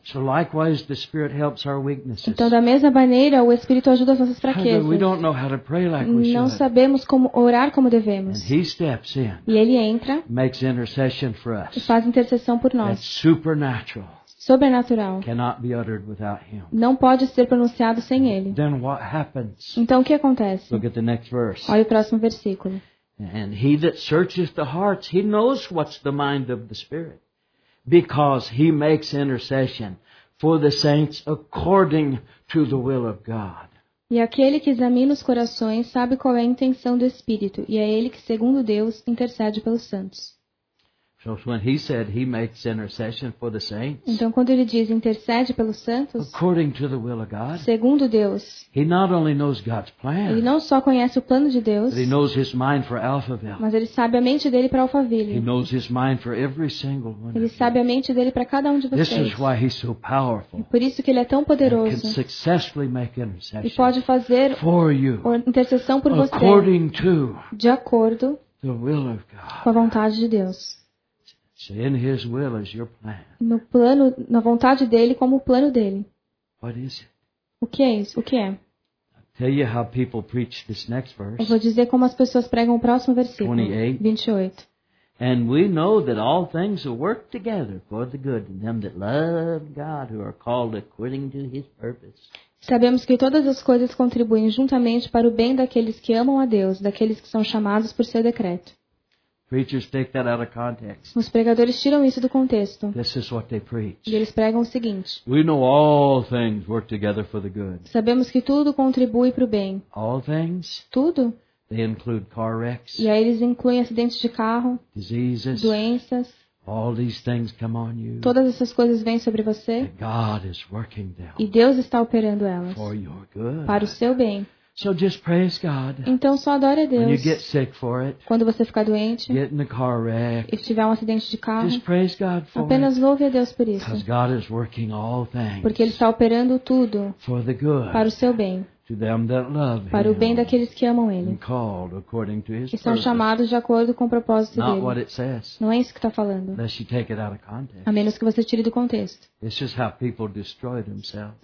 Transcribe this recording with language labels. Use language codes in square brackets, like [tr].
[en] So likewise, the Spirit helps our weaknesses. [pt] Então, da mesma maneira, o Espírito ajuda as nossas fraquezas. [en] We don't know how to pray like we should. [pt] Não sabemos como orar como devemos. [en] And he steps in, [pt] e ele entra [en] makes intercession for us. [pt] E faz intercessão por nós. [en] That's supernatural. [pt] Sobrenatural. [en] Cannot be uttered without him. [pt] Não pode ser pronunciado sem ele. [en] Then what happens? [pt] Então o que acontece? [en] Look at the next verse. [pt] Olha o próximo versículo. [en] And he that searches the hearts, he knows what's the mind of the Spirit, because he makes intercession for the saints according to the will of God. [pt] E aquele que examina os corações sabe qual é a intenção do Espírito, e é ele que, segundo Deus, intercede pelos santos. [en] So when he said he makes intercession for the saints, [pt] então quando ele diz intercede pelos santos, [en] according to the will of God, [pt] segundo Deus, [en] he not only knows God's plan, [pt] ele não só conhece o plano de Deus, [en] but he knows his mind for Alphaville, [pt] mas ele sabe a mente dele para Alphaville. [en] He knows his mind for every single one. [pt] Ele sabe a mente dele para cada um de vocês. [en] This is why he's so powerful. [pt] E por isso que ele é tão poderoso. [en] And can successfully make intercession. [pt] E pode fazer [en] for you, [pt] intercessão por você. [en] According to [pt] de acordo [en] the will of God. [pt] Com a vontade de Deus. [en] So in his will is your plan. [pt] No plano, na vontade dele, como o plano dele. [en] What is it? [pt] O que é isso? O que é? [en] I'll tell you how people preach this next verse. [pt] Eu vou dizer como as pessoas pregam o próximo versículo. [en] 28. And we know that all things will work together for the good of them that love God, who are called according to His purpose. [pt] Sabemos que todas as coisas contribuem juntamente para o bem daqueles que amam a Deus, daqueles que são chamados por seu decreto. [en] Preachers take that out of context. [pt] Os pregadores tiram isso do contexto. [en] This is what they preach. [pt] E eles pregam o seguinte. [en] We know all things work together for the good. [pt] Sabemos que tudo contribui para o bem. [en] All things? [pt] Tudo. [en] They include car wrecks, [pt] e aí eles incluem acidentes de carro, [en] diseases, [pt] doenças, [en] all these things come on you, [pt] todas essas coisas vêm sobre você, [en] and God is working them, [pt] e Deus está operando elas [en] for your good, [pt] para o seu bem. [en] So just praise God. [pt] Então só adore a Deus. [en] When you get sick for it, [pt] quando você ficar doente, [en] get in a car wreck, [pt] e tiver um acidente de carro, [en] just praise God for [pt] apenas [en] it, [pt] louve a Deus por isso, [en] 'cause God is working all things, [pt] porque Ele está operando tudo [en] for the good, [pt] para o seu bem. [en] To them that love him, [pt] para o bem daqueles que amam Ele. [en] And called according to his [pt] e são chamados de acordo com o propósito [en] not [pt] dEle. [en] What it says, [pt] não é isso que está falando. [en] Unless you take it out of context. [pt] A menos que você tire do contexto. [en] This is how people destroy themselves.